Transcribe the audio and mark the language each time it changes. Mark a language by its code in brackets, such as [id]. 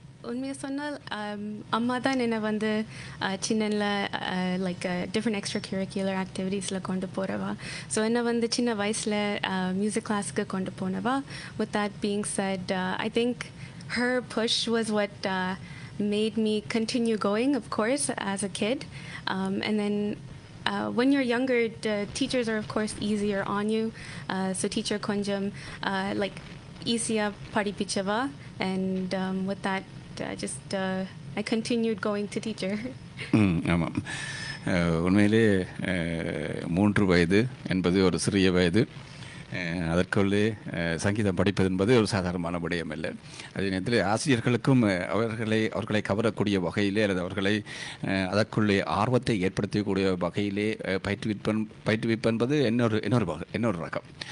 [ta] உண்மையை சொன்னால் அம்மா தான் என்னை வந்து சின்னல [en] like different extra curricular ஆக்டிவிட்டீஸில் [ta] கொண்டு போகிறவா. ஸோ என்னை வந்து சின்ன வயசில் மியூசிக் கிளாஸுக்கு கொண்டு போனவா. [en] With that being said, I think her push was what made me continue going, of course as a kid. And then when you're younger, the teachers are of course easier on you. So teacher [ta] konjam [en] like easy [ta] a padipichava, [en] and with that just I continued going to teacher. [ta] ஆமாம், உண்மையிலே 3 வயது என்பது ஒரு சிறிய வயது. அதற்குள்ளே சங்கீதம் படிப்பது என்பது ஒரு சாதாரணமான விடயம் இல்லை. அதே நேரத்தில் ஆசிரியர்களுக்கும் அவர்களை கவரக்கூடிய வகையிலே அல்லது அவர்களை அதற்குள்ளே ஆர்வத்தை ஏற்படுத்தக்கூடிய வகையிலே பயிற்றுவிப்பு என்பது இன்னொரு ரகம்.